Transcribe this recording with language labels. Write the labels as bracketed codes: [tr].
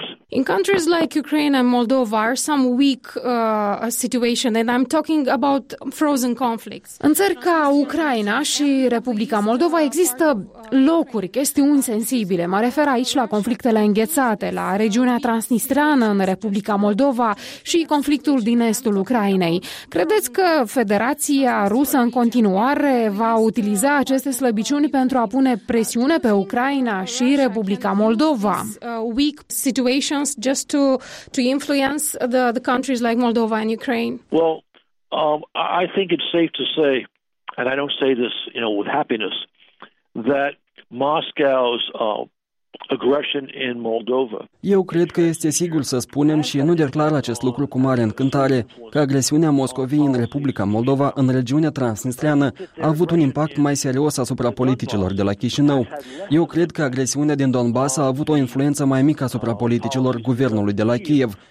[en] In countries like Ukraine and Moldova are some weak situation and I'm talking about frozen conflicts. [ro] În țări ca Ucraina și Republica Moldova există locuri, chestiuni sensibile. Mă refer aici la conflictele înghețate, la regiunea transnistreană în Republica Moldova și conflictul din estul Ucrainei. Credeți că Federația Rusă în continuare va utiliza aceste slăbiciuni pentru a pune presiune pe Ucraina și Republica Moldova? [en] Situations just to influence the countries like Moldova and Ukraine. Well, I think it's safe to say, and I don't say this, you know, with happiness, that Moscow's aggression in Moldova. [ro] Eu cred că este sigur să spunem și nu declar acest lucru cu mare încântare, că agresiunea Moscovei în Republica Moldova, în regiunea transnistreană, a avut un impact mai serios asupra politicilor de la Chișinău. Eu cred că agresiunea din Donbas a avut o influență mai mică asupra politicilor guvernului de la Kiev.